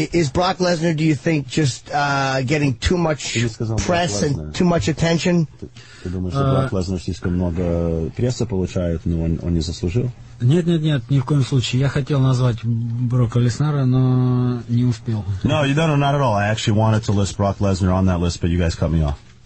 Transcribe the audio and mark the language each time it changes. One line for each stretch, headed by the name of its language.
English: Is Brock Lesnar, do you think, just getting too much press and too much attention?
Russian: Ты думаешь, что Брок Лезнер слишком много пресса получает, но он не заслужил? Нет, ни в коем случае. Я хотел назвать Брока Леснара, но не успел.
English: No, you don't know, not at all. I actually wanted to list Brock Lesnar on that list, but you guys cut me off.